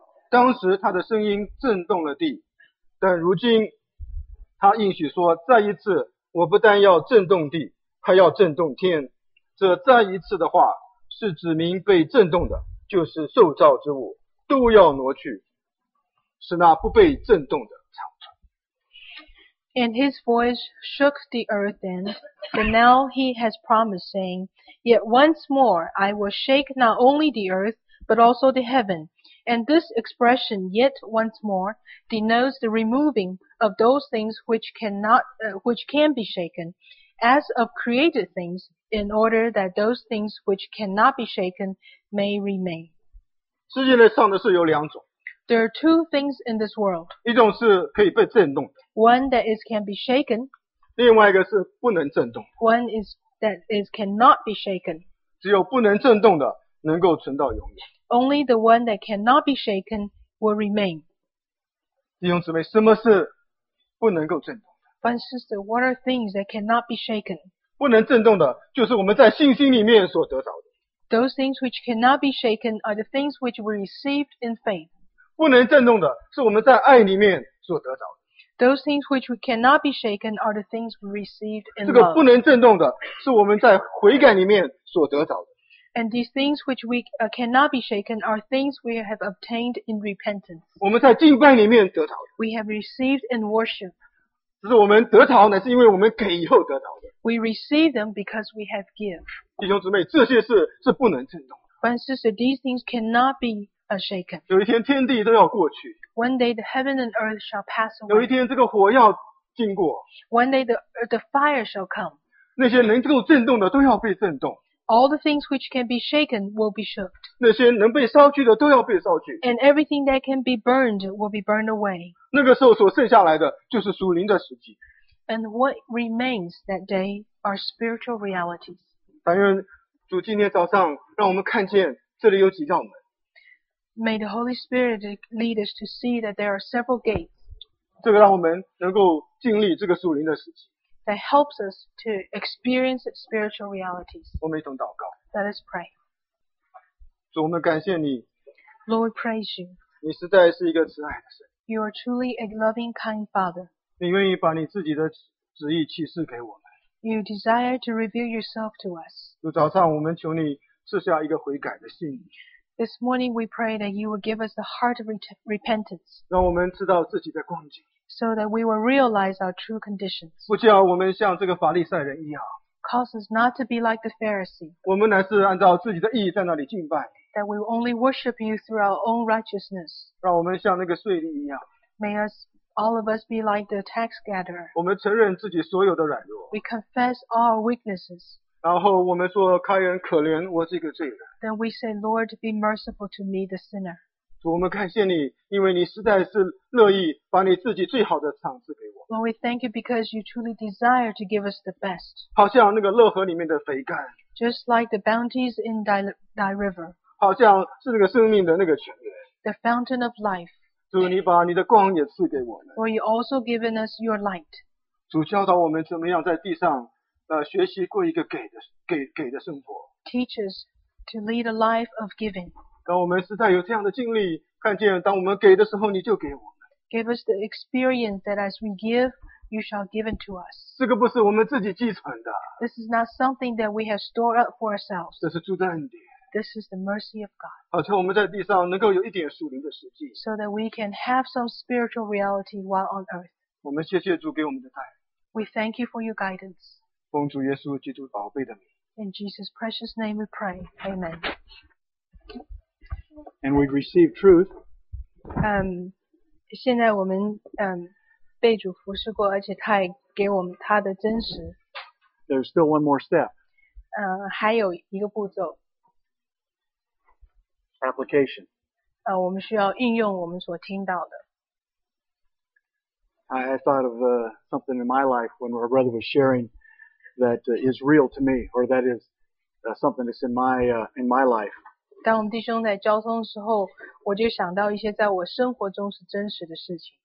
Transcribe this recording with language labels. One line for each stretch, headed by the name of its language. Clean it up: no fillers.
Chinese: 当时他的声音震动了地，但如今他应许说，再一次，我不但要震动地，还要震动天。这再一次的话是指明被震动的就是受造之物都要挪去使那不被震动的长存。
English: And his voice shook the earth then, but now he has promised saying, Yet once more I will shake not only the earth, but also the heaven. And this expression, yet once more, denotes the removing of those things which can be shaken, as of created things,in order that those things which cannot be shaken may remain.
Chinese: 世界上的事有两种。
English: There are two things in this world.
Chinese: 一种是可以被震动的。
English: One that is can be shaken.
Chinese: 另外一个是不能震动的。
English: One is that is cannot be shaken.
Chinese: 只有不能震动的能够存到永远。
English: Only the one that cannot be shaken will remain.
Chinese: 弟兄姊妹，什么是不能够震动的？
English: But sister, what are things that cannot be shaken?
Chinese: 不能震动的就是我们在信心里面所得着的。
English: Those things which cannot be shaken are the things which we received in faith.
Chinese: 不能震动的是我们在爱里面所得着的。
English: Those things which cannot be shaken are the things we received in love.
Chinese: 这个不能震动的是我们在悔改里面所得着的。
English: And these things which we cannot be shaken are things we have obtained in repentance.
Chinese: 我们在敬拜里面得着的。
English: We have received in worship.
Chinese: 这是我们得着乃是因为我们给以后得着的。
English: We receive them because we have give.
Chinese: 弟兄姊妹，这些事是不能震动的。
English: But sister, these things cannot be shaken.
Chinese: 有一天天地都要过去。
English: One day the heaven and earth shall pass away.
Chinese: 有一天这个火要经过。
English: One day the fire shall come.
Chinese: 那些能够震动的都要被震动。
English: All the things which can be shaken will be shook.
Chinese: 那些能被烧去的都要被烧去。
English: And everything that can be burned will be burned away.
Chinese: 那个时候所剩下来的就是属灵的实际。
English: And what remains that day are spiritual realities.
Chinese: 但愿主今天早上让我们看见这里有几道门。
English: May the Holy Spirit lead us to see that there are several gates.
Chinese: 这个让我们能够经历这个属灵的实际。
English: That helps us to experience spiritual realities.
Chinese: 我们一同祷告。
English: Let us pray.
Chinese: 主，我们感谢你。
English: Lord, praise you.
Chinese: 你实在是一个慈爱的神。
English: You are truly a loving, kind Father.
Chinese: 你愿意把你自己的旨意启示给我们。
English: You desire to reveal yourself to us.
Chinese: 主，早上我们求你赐下一个悔改的心。
English: This morning we pray that you will give us the heart of repentance.
Chinese: 让我们知道自己的光景。
English: So that we will realize our true conditions.
Chinese: 不叫我们像这个法利赛人一样。
English: Cause us not to be like the Pharisee.
Chinese: 我们乃是按照自己的意义在那里敬拜。
English: That we will only worship you through our own righteousness.
Chinese: 让我们像那个税吏一样。
English: May us, all of us be like the tax gatherer.
Chinese: 我们承认自己所有的软弱。
English: We confess all our weaknesses.
Chinese: 然后我们说开恩可怜我这个罪人。
English: Then we say, Lord, be merciful to me, the sinner.
Chinese: 主，我们感谢你，因为你实在是乐意把你自己最好的赏赐给我。
English: Lord, we thank you because you truly desire to give us the best.
Chinese: 好像那个乐河里面的肥甘。
English: Just like the bounties in thy river.
Chinese: 好像是那个生命的那个泉源。
English: The fountain of life.
Chinese: 主，你把你的光也赐给我们。
English: Lord, you also given us your light.
Chinese: 主，教导我们怎么样在地上，学习过一个给的生活。
English: Teach us to lead a life of giving.
Chinese: 当我们实在有这样的经历，看见当我们给的时候，你就给我们。
English: Give us the experience that as we give, you shall give unto us.
Chinese: 这个不是我们自己继承的。
English: This is not something that we have stored up for ourselves.
Chinese: 这是主的恩典。
English: This is the mercy of God.
Chinese: 好像我们在地上能够有一点属灵的实际。
English: So that we can have some spiritual reality while on earth.
Chinese: 我们谢谢主给我们的带领。
English: We thank you for your guidance.
Chinese: 奉主耶稣基督宝贝的名。
English: In Jesus' precious name we pray. Amen. And we receive truth.
Chinese: 现在我们被主服侍过，而且他也给我们他的真实。
English: There's still one more step.
Chinese: 还有一个步骤。
English: Application.
Chinese: 我们需要应用我们所听到的。
English: I thought of something in my life when our brother was sharing that is real to me, or that is something that's in my life.
Chinese: 当我们弟兄在交通的时候，我就想到一些在我生活中是真实的事情。